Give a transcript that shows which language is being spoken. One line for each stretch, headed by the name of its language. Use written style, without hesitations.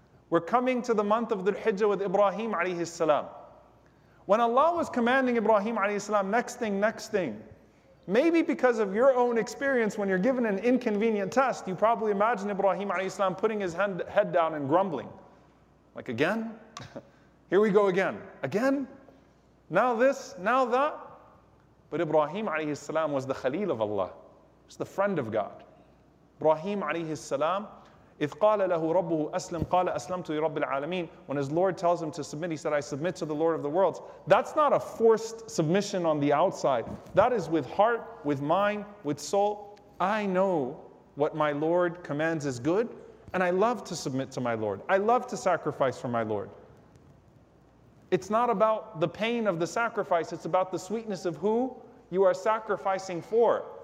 English: We're coming to the month of Dhul-Hijjah with Ibrahim alayhi salam. When Allah was commanding Ibrahim alayhi salam, next thing, maybe because of your own experience, when you're given an inconvenient test, you probably imagine Ibrahim alayhi salam putting his head down and grumbling. Like, again? Here we go again. Again? Now this, now that? But Ibrahim alayhi salam was the Khalil of Allah. He was the friend of God.
Arabic: Ibrahim alayhi salam, إِذْ قَالَ لَهُ رَبُّهُ أَسْلِمْ قَالَ أَسْلَمْتُ لِرَبِّ الْعَالَمِينَ.
English: When his Lord tells him to submit, he said, I submit to the Lord of the worlds. That's not a forced submission on the outside. That is with heart, with mind, with soul. I know what my Lord commands is good, and I love to submit to my Lord. I love to sacrifice for my Lord. It's not about the pain of the sacrifice, it's about the sweetness of who you are sacrificing for.